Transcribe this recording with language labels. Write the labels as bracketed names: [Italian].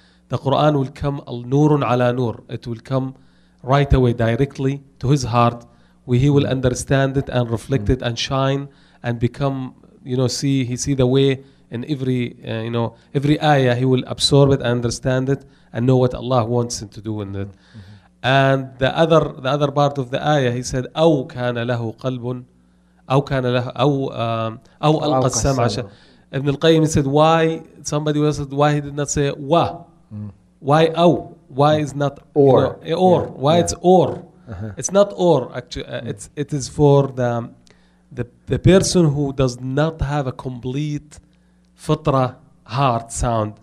[English] The Quran will come [Arabic] al nurun ala nur. [English] It will come right away directly to his heart, where he will understand it and reflect it and shine and become, you know, see the way. In every ayah, he will absorb it and understand it and know what Allah wants him to do in it. Mm-hmm. And the other part of the ayah, he said, [Arabic] أَوْ كَانَ لَهُ قَلْبٌ أَوْ كَانَ لَهُ أَوْ أَلْقَ السَّمْعَ. [English] Ibn al-Qayyim said, why? Somebody was said, why he did not say, wa? Why أَوْ? Why is not or? You know, or. Yeah. Why it's or? Uh-huh. It's not or, actually. It is for the person who does not have a complete fitra, heart, sound.